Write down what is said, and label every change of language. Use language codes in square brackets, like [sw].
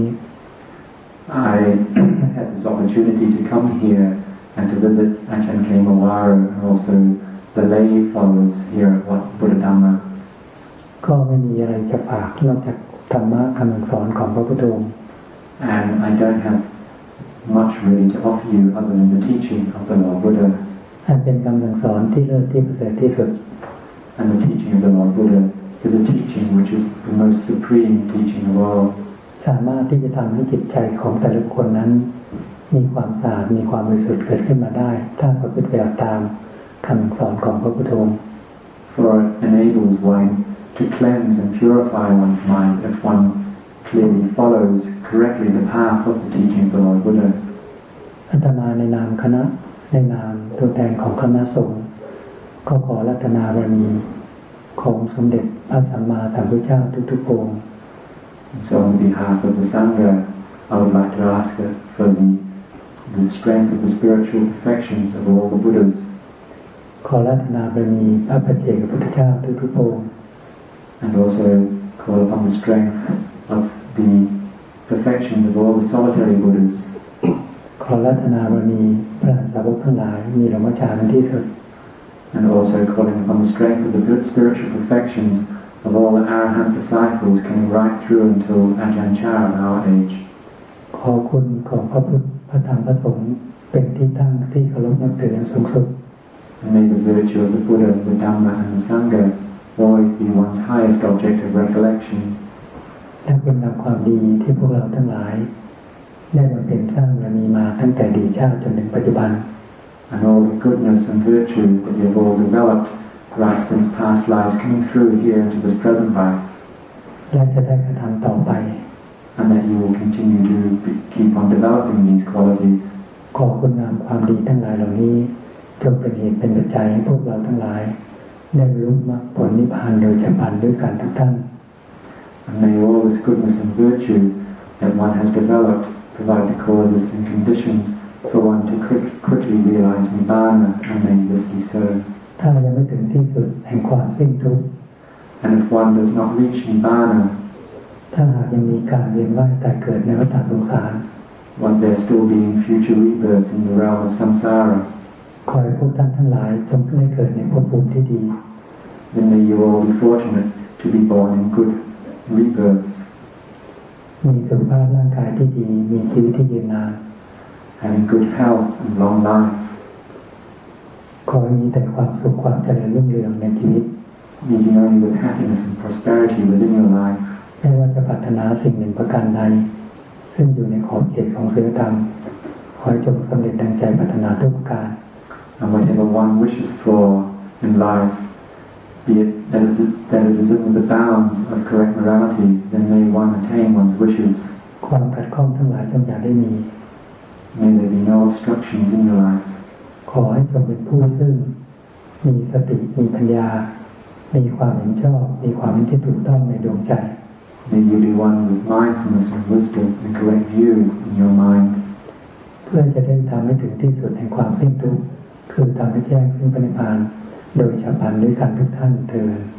[en] I had this opportunity to come here and to visit Ajahn Kemawaru and also the lay followers here at Wat Buddhadhamma [th] ก็ไม่มีอะไรจะฝากนอกจากธรรมะคำสอนของพระพุทธองค์ [en] and I don't have much really to offer you other than the teaching of the Lord Buddha [th] อันเป็นคำสอนที่เลิศที่ประเสริฐที่สุด [en] and the teaching of the Lord BuddhaIs a teaching which is the most supreme teaching of all. [th] สามารถที่จะทำให้จิตใจของแต่ละคนนั้นมีความสะอาดมีความบริสุทธิ์เกิดขึ้นมาได้ถ้าประพฤติปฏิบัติตามคำสอนของพระพุทธองค์ [en] For it enables one to cleanse and purify one's mind if one clearly follows correctly the path of the teaching of the Lord Buddha. [th] อาตมาในนามคณะในนามตัวแทนของคณะสงฆ์ก็ขอรัตนาบารมีของสมเด็จพระสัมมาสัมพุทธเจ้าทุกๆองค์ [en] So on behalf of the Sangha, I would like to ask for the strength of the spiritual perfections of all the Buddhas. [th] ขอรัตนาบารมีพระปัจเจกพุทธเจ้าทุกๆองค์ [en] And also call upon the strength of the perfection of all the solitary Buddhas. [th] ขอรัตนาบารมีพระสาวกทั้งหลายมีธรรมฌานที่สุด [en] And also calling upon the strength of the good spiritual perfections of all the Arahant disciples coming right through until Ajahn Chah of our age [th] ขอคุณของพระพุทธพระธรรมพระสงฆ์เป็นที่ตั้งที่เคารพนับถืออย่างสูงสุด [en] And may the virtue of the Buddha, the Dhamma and the Sangha always be one's highest object of recollection [th] และคุณงามความดีที่พวกเราทั้งหลายได้มาเป็นสร้างบารมีมาตั้งแต่ดีชาติจนถึงปัจจุบัน [en] And all the goodness and virtue that you've all developed right since past lives coming through here into this present life [th] และจะได้กระทำต่อไป [en] And that you will continue to keep on developing these qualities [th] ขอคุณงามความดีทั้งหลายเหล่านี้จงเป็นเหตุเป็นปัจจัยให้พวกเราทั้งหลายได้รู้มรรคผลนิพพานโดยฉับพลันด้วยกันทุกท่าน [en] And may all this goodness and virtue that one has developedprovide the causes and conditions for one to quickly realize nibbana and may this be so. [th] ถ้ายังไม่ถึงที่สุดแห่งความสิ้นทุกข์ [en] and if one does not reach nibbana, [th] ถ้าหากยังมีการเวียนว่ายตายเกิดในวัฏสงสาร [en] one there still being future rebirths in the realm of samsara, [th] ขอให้พวกท่านทั้งหลายจงได้เกิดในภพภูมิที่ดี [en] then may you all be fortunate to be born in good rebirths [th] มีสุขภาพร่างกายที่ดีมีชีวิตที่ยืนนาน [en] having good health and long life [th] ขอมีแต่ความสุขความเจริญรุ่งเรืองในชีวิต [en] meeting only with happiness and prosperity within your life [th] ไม่ว่าจะปรารถนาสิ่งหนึ่งประการใดซึ่งอยู่ในขอบเขตของศีลธรรมขอให้จงสำเร็จดังใจปรารถนาทุกประการ [en] and whatever one wishes for in lifeBe it that it is within the bounds of correct morality, then may one attain one's wishes. [th] ความขัดข้องทั้งหลายจงอย่าได้มี [en] May there be no obstructions in your life. [th] ขอให้จงเป็นผู้ซึ่งมีสติมีปัญญามีความเห็นชอบมีความเห็นที่ถูกต้องในดวงใจ [en] May you be one with mindfulness and wisdom and correct view in your mind. [th] เพื่อจะได้ทำให้ถึงที่สุดแห่งความสิ้นทุกข์คือทำให้แจ้งซึ่งพระนิพพานโดยฉับพลันด้วยกันทุกท่านเถิด